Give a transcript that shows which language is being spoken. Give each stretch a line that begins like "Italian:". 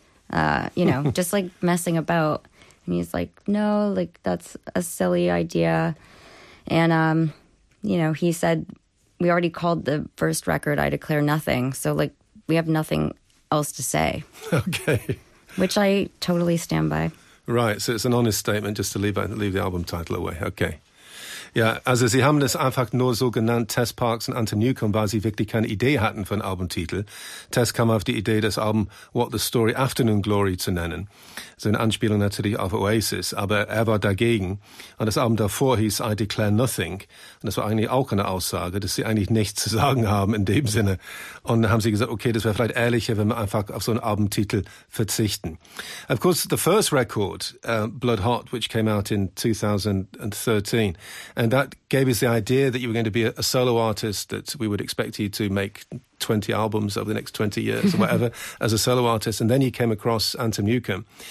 English: You know, just like messing about. And he's like, no, like that's a silly idea. And, you know, he said, we already called the first record I Declare Nothing. So, like, we have nothing else to say. Okay. Which I totally stand by. Right, so it's an honest statement just to leave the album title away. Okay.
German: Ja, also Sie haben das einfach nur so genannt, Tess Parks und Anton Newcomb, weil Sie wirklich keine Idee hatten für einen Albumtitel. Tess kam auf die Idee, das Album What the Story Afternoon Glory zu nennen. So eine Anspielung natürlich auf Oasis, aber er war dagegen. Und das Album davor hieß I Declare Nothing. Und das war eigentlich auch eine Aussage, dass Sie eigentlich nichts zu sagen haben in dem Sinne. Und dann haben Sie gesagt, okay, das wäre vielleicht ehrlicher, wenn wir einfach auf so einen Albumtitel verzichten.
English: Of course, the first record, Blood Hot, which came out in 2013, and that gave us the idea that you were going to be a solo artist, that we would expect you to make 20 albums over the next 20 years or whatever as a solo artist. And then you came across Anton Newcomb.